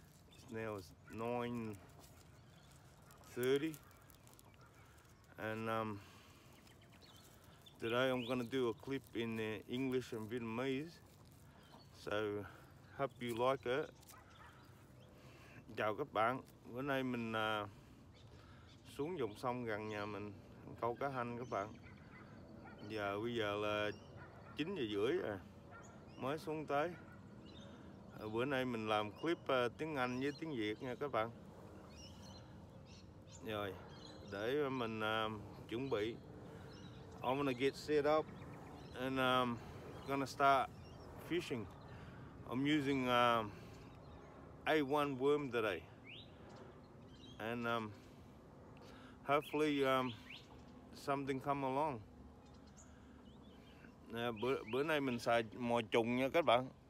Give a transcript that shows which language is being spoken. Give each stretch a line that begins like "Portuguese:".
English: It's now 9:30, and today I'm going to do a clip in English and Vietnamese. So, hope you like it.
Vietnamese: Chào các bạn, bữa nay mình xuống dòng sông gần nhà mình câu cá hanh các bạn. Giờ bây giờ là 9 giờ rưỡi rồi, mới xuống tới. Bữa nay mình làm clip tiếng Anh với tiếng Việt nha các bạn. Rồi, để mình chuẩn bị.
English: I'm gonna get set up and gonna start fishing. I'm using A1 worm today, and hopefully something come along.
Vietnamese: Bữa nay mình xài mồi trùng nha các bạn.